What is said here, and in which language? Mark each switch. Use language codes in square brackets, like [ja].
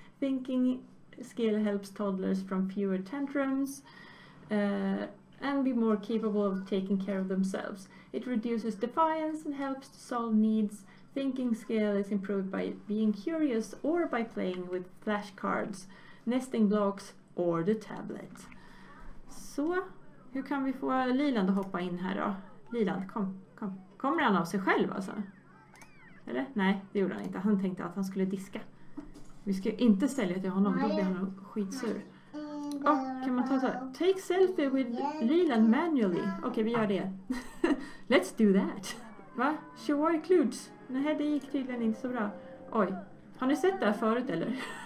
[en] Thinking skill helps toddlers from fewer tantrums. And be more capable of taking care of themselves. It reduces defiance and helps to solve needs. Thinking skill is improved by being curious or by playing with flashcards, nesting blocks or the tablet. [sv] Så, hur kan vi få Liland att hoppa in här då? Liland, kom. Kommer han av sig själv alltså? Eller? Nej, det gjorde han inte. Han tänkte att han skulle diska. Vi ska inte sälja till honom, då blir han skitsur. Oh, kan man ta så här? [en] Take selfie with Liland manually. [sv] Okej, vi gör det. [en] Let's do that. [sv] Va? [en] Sure, clues. [sv] Nej, det gick tydligen inte så bra. Oj, har ni sett det här förut eller?